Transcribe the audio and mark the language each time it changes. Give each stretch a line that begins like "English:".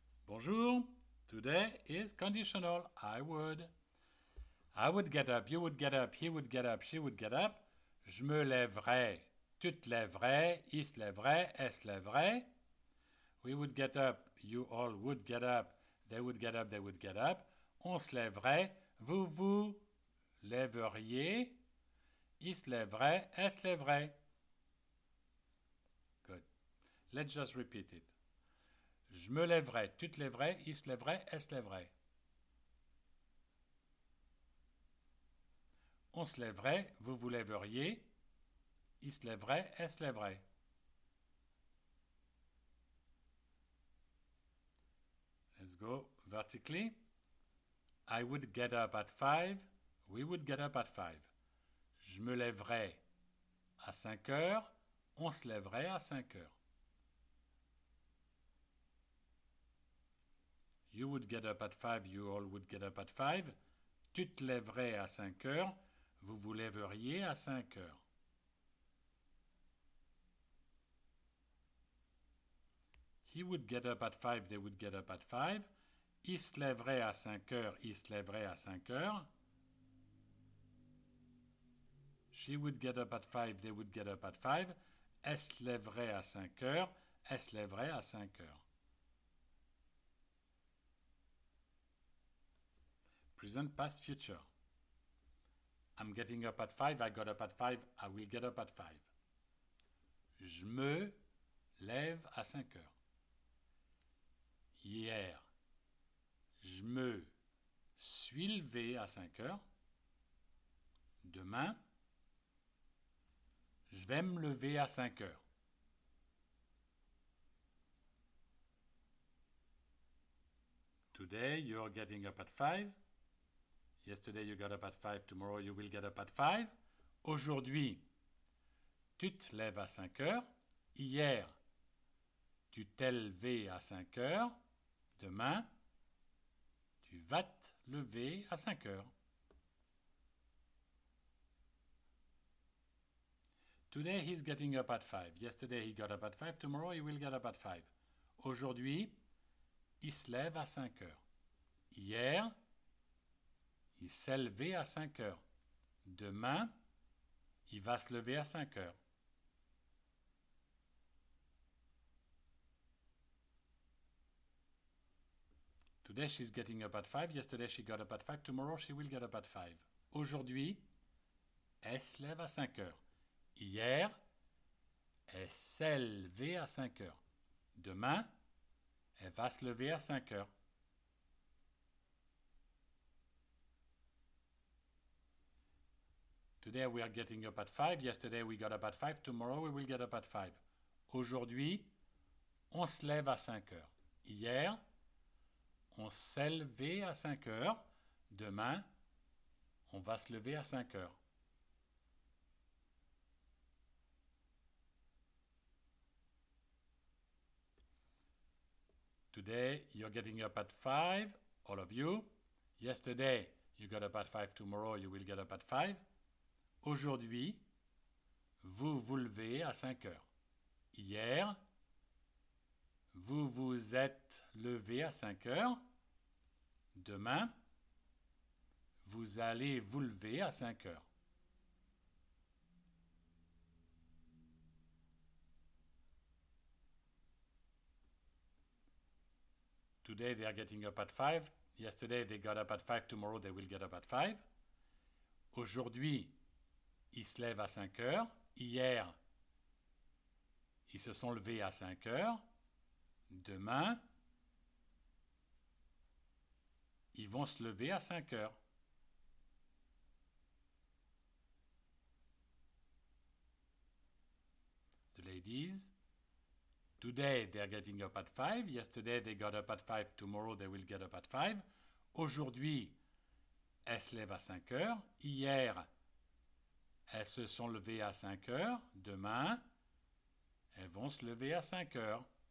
English: Bonjour, today is conditional, I would get up, you would get up, he would get up, she would get up,
French: je me lèverai, tu te lèverais, il se lèverait,
English: elle se lèverait, we would get up, you all would get up, they would get up, they would get up,
French: on se lèverait, vous vous lèveriez, il se lèverait,
English: elle se lèverait. Good. Let's just repeat it.
French: Je me lèverai, tu te lèverais, il se lèverait, elle se lèverait. On se lèverait, vous vous lèveriez, il se lèverait, elle se lèverait.
English: Let's go vertically. I would get up at 5. We would get up at 5.
French: Je me lèverai à 5 heures. On se lèverait à 5 heures.
English: You would get up at 5. You all would get up at 5.
French: Tu te lèverais à 5 heures. Vous vous lèveriez à 5 heures.
English: He would get up at 5. They would get up at 5.
French: Il se lèverait à 5 heures. Il se lèverait à 5 heures.
English: She would get up at 5, they would get up at 5.
French: Elle se lèverait à 5 heures. Elle se lèverait à 5 heures.
English: Present, past, future. I'm getting up at 5, I got up at 5, I will get up at 5.
French: Je me lève à 5 heures. Hier, je me suis levé à 5 heures. Demain, je vais me lever à 5 heures.
English: Today, you're getting up at 5. Yesterday, you got up at 5. Tomorrow, you will get up at 5.
French: Aujourd'hui, tu te lèves à 5 heures. Hier, tu t'es levé à 5 heures. Demain, tu vas te lever à 5 heures.
English: Today he's getting up at 5. Yesterday he got up at 5. Tomorrow he will get up at 5.
French: Aujourd'hui, il se lève à 5 heures. Hier, il s'est levé à 5 heures. Demain, il va se lever à 5 heures.
English: Today she's getting up at 5. Yesterday she got up at 5. Tomorrow she will get up at 5.
French: Aujourd'hui, elle se lève à 5 heures. Hier, elle s'est levée à 5 heures. Demain, elle va se lever à 5 heures.
English: Today we are getting up at 5. Yesterday we got up at 5. Tomorrow we will get up at 5.
French: Aujourd'hui, on se lève à 5 heures. Hier, on s'est levé à 5 heures. Demain, on va se lever à 5 heures.
English: Today, you're getting up at 5, all of you. Yesterday, you got up at 5. Tomorrow, you will get up at 5.
French: Aujourd'hui, vous vous levez à 5 heures. Hier, vous vous êtes levé à 5 heures. Demain, vous allez vous lever à 5 heures.
English: Today they are getting up at 5. Yesterday they got up at 5. Tomorrow they will get up at 5.
French: Aujourd'hui, ils se lèvent à 5 heures. Hier, ils se sont levés à 5 heures. Demain, ils vont se lever à 5 heures.
English: The ladies. Today they're getting up at 5. Yesterday they got up at 5. Tomorrow they will get up at 5.
French: Aujourd'hui, elles se lèvent à 5 heures. Hier, elles se sont levées à 5 heures. Demain, elles vont se lever à 5 heures.